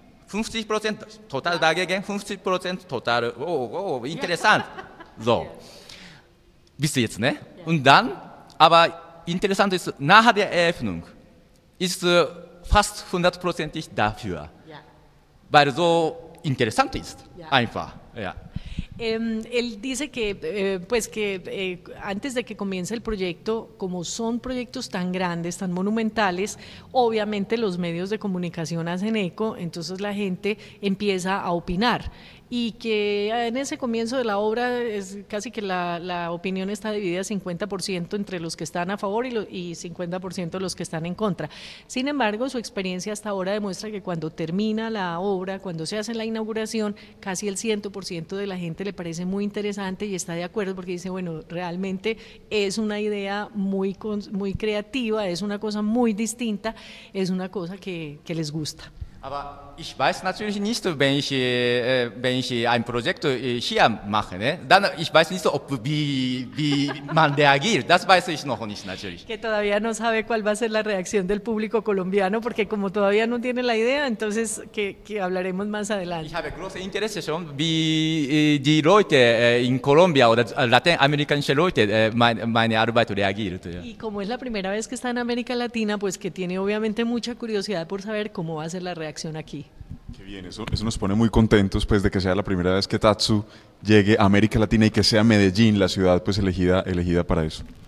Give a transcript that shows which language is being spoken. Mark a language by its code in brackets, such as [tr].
[de] 50% total dagegen, 50% total, interessant. So, bis jetzt, ne? Und dann, aber interessant ist, nach der Eröffnung ist fast 100% dafür. Ja. Weil so interessant ist, einfach, ja. [es] Él dice que, pues que antes de que comience el proyecto, como son proyectos tan grandes, tan monumentales, obviamente los medios de comunicación hacen eco, entonces la gente empieza a opinar. Y que en ese comienzo de la obra es casi que la opinión está dividida 50% entre los que están a favor y 50% los que están en contra. Sin embargo, su experiencia hasta ahora demuestra que cuando termina la obra, cuando se hace la inauguración, casi el 100% de la gente le parece muy interesante y está de acuerdo, porque dice, bueno, realmente es una idea muy, muy creativa, es una cosa muy distinta, es una cosa que les gusta. [de] Aber ich weiß natürlich nicht, wenn ich ein Projekt hier mache, ne? Dann ich weiß nicht, wie man reagiert. Das weiß ich noch nicht natürlich. [es] Que todavía no sabe cuál va a ser la reacción del público colombiano, porque como todavía no tiene la idea, entonces que hablaremos más adelante. [de] Ich habe große Interesse schon, wie die Leute in Colombia oder lateinamerikanische Leute meine Arbeit reagiert. Ja. [es] Y como es la primera vez que está en América Latina, pues que tiene obviamente mucha curiosidad por saber cómo va a ser la reacción aquí. Qué bien, eso nos pone muy contentos pues de que sea la primera vez que Tatsu llegue a América Latina y que sea Medellín la ciudad pues elegida para eso.